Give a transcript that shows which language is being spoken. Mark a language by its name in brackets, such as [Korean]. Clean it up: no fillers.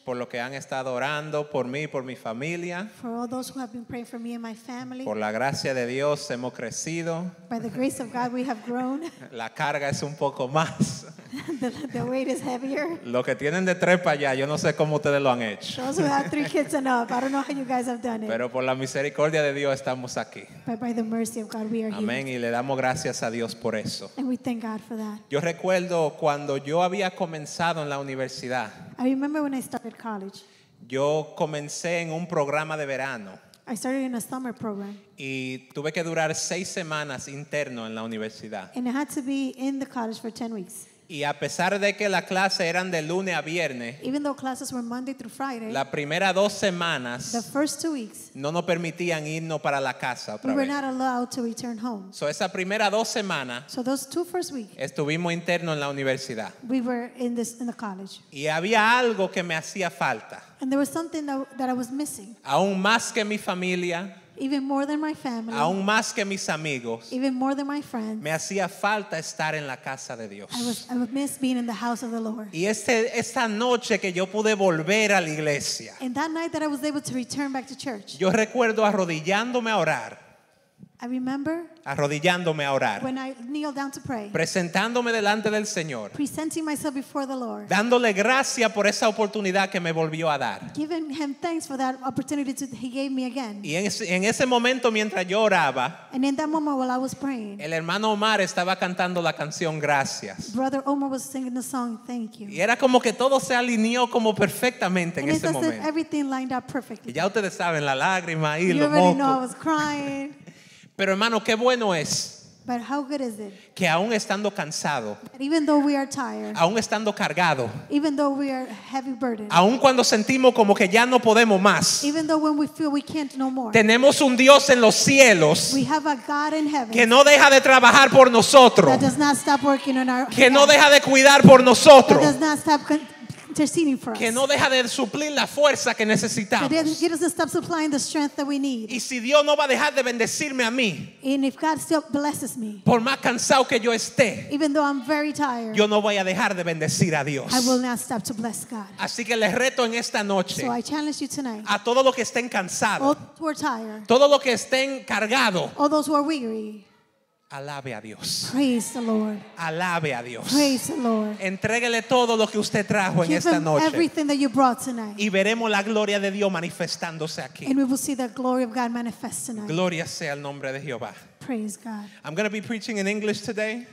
[Spanish] por lo que han estado orando por mí y por mi familia. [English] For all those who have been praying for me and my family. [Spanish] Por la gracia de Dios hemos crecido. [English] By the grace of God we have grown. [Spanish] La carga es un poco más. [English] The weight is heavier. [Spanish] Lo que tienen de tres para allá, yo no sé cómo ustedes lo han hecho. [English] Those who have three kids and up, I don't know how you guys have done it. [Spanish] Pero por la misericordia de Dios estamos aquí. [English] But by the mercy of God, we are here. [Spanish] Amén, y le damos gracias a Dios por eso. [English] And we thank God for that. [Spanish] Yo recuerdo cuando yo había comenzado en la universidad. [English] I remember when I started college. [Spanish] Yo comencé en un programa de verano. [English] I started in a summer program. [Spanish] Y tuve que durar 6 semanas interno en la universidad. [English] And I had to be in the college for 10 weeks. [Spanish] Y a pesar de que las clases eran de lunes a viernes, [English] even though classes were Monday through Friday, [Spanish] las primeras 2 semanas, [English] the first 2 weeks, [Spanish] no nos permitían irnos para la casa otra [English] We were not allowed to return home. [Spanish] So esas primeras 2 semanas, [English] so those 2 first weeks, [Spanish] estuvimos internos en la universidad. [English] We were in the college. [Spanish] Y había algo que me hacía falta. [English] And there was something that I was missing. [Spanish] Aún más que mi familia. [English] Even more than my family. [Spanish] Aún más que mis amigos. [English] Even more than my friends. [Spanish] Me hacía falta estar en la casa de Dios. [English] I miss being in the house of the Lord. [Spanish] Y esta noche que yo pude volver a la iglesia. [English] And that night that I was able to return back to church. [Spanish] Yo recuerdo arrodillándome a orar. [English] I remember [Spanish] arrodillándome a orar, [English] when I kneeled down to pray, [Spanish] presentándome delante del Señor, [English] presenting myself before the Lord, [Spanish] dándole gracias por esa oportunidad que me volvió a dar, [English] giving him thanks for that opportunity that he gave me again. [Spanish] Y en ese momento mientras yo oraba, [English] and in that moment while I was praying, [Spanish] el hermano Omar estaba cantando la canción Gracias. [English] Brother Omar was singing the song Thank You. [Spanish] Y era como que todo se alineó como perfectamente en [English] and [Spanish] ese momento. [English] Everything lined up perfectly. [Spanish] Y ya ustedes saben la lágrima y [English] you [Spanish] lo [English] already [Spanish] moco. [English] Know I was crying. [Spanish] Pero hermano, qué bueno es [English] but how good is it? [Spanish] Que aún estando cansado, [English] even though we are tired, [Spanish] aún estando cargado, [English] even though we are heavy burdened, [Spanish] aún cuando sentimos como que ya no podemos más, [English] even though when we feel we can't no more, [Spanish] tenemos un Dios en los cielos, [English] we have a God in heaven, [Spanish] que no deja de trabajar por nosotros, [English] that does not stop working on our, [Spanish] que no deja de cuidar por nosotros, [English] that does not stop interceding for us. [Spanish] Que no deja de suplir la fuerza que necesitamos. [English] He doesn't stop supplying the strength that we need. [Spanish] Y si Dios no va a dejar de bendecirme a mí, [English] and if God still blesses me, [Spanish] por más cansado que yo esté, [English] even though I'm very tired, [Spanish] yo no voy a dejar de bendecir a Dios. [English] I will not stop to bless God. [Spanish] Así que les reto en esta noche, [English] so I challenge you tonight, [Spanish] a todos los que estén cansados, [English] all those who are tired, [Spanish] todos los que estén cargados, [English] all those who are weary, [Spanish] alabe a Dios. [English] Praise the Lord. [Spanish] Alabe a Dios. [English] Praise the Lord. [Spanish] Entréguele todo lo que usted trajo [English] give [Spanish] en esta [English] him [Spanish] noche. [English] Everything that you brought tonight. [Spanish] Y veremos la gloria de Dios manifestándose aquí. [English] And we will see the glory of God manifest tonight. [Spanish] Gloria sea al nombre de Jehová. [English] Praise God. I'm going to be preaching in English today.